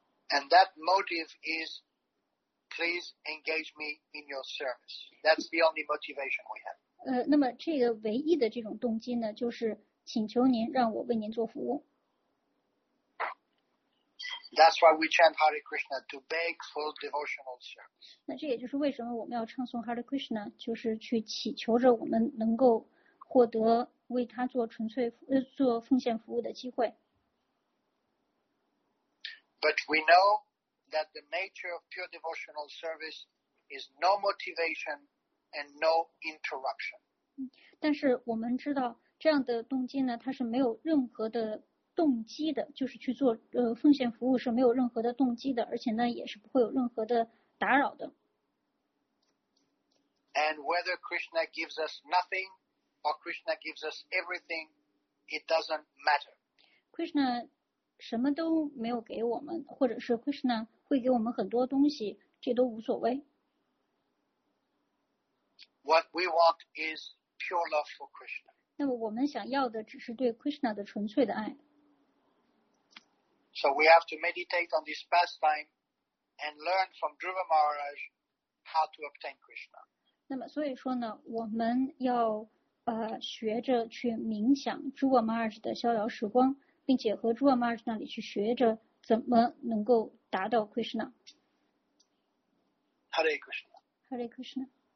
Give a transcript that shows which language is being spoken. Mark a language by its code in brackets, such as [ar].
[en] And that motive is, please engage me in your service. That's the only motivation we have. [zh] 那么这个唯一的这种动机呢，就是请求您让我为您做服务。 [en] That's why we chant Hare Krishna, to beg for devotional service. [zh] 那这也就是为什么我们要唱诵 Hare Krishna, 就是去祈求着我们能够获得为他做纯粹做奉献服务的机会。 [en] But we know that the nature of pure devotional service is no motivation and no interruption. [zh] 但是我们知道这样的动机呢，它是没有任何的动机的，就是去做奉献服务是没有任何的动机的，而且呢也是不会有任何的打扰的。 [en] And whether Krishna gives us nothing,or Krishna gives us everything, it doesn't matter. [zh] Krishna 什么都没有给我们，或者是 Krishna 会给我们很多东西，这都无所谓。 [en] What we want is pure love for Krishna. [zh] 那么我们想要的只是对 Krishna 的纯粹的爱。 [en] So we have to meditate on this pastime and learn from Dhruva Maharaj how to obtain Krishna. [zh] 那么所以说呢，我们要学着去冥想朱瓦马尔什的逍遥时光，并且和朱瓦马尔什那里去学着怎么能够达到 Krishna。 [sa] Hare Krishna。 Hare Krishna。